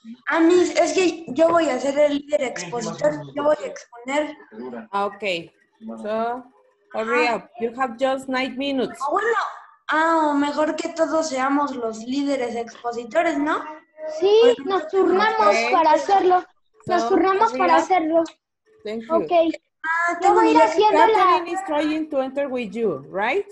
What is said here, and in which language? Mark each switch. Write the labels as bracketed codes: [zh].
[es] A mí, es que yo voy a ser el líder expositor, yo voy a exponer. [en] Okay, so, hurry up, you have just 9 minutes. [es] Bueno, mejor que todos seamos los líderes expositores, ¿no? Sí, pues, nos turnamos [en] okay. [es] Para hacerlo, nos so, turnamos para hacerlo. [en] Thank you. Okay. [es] Tengo ir haciendo la... [en] Catherine is trying to enter with you, right?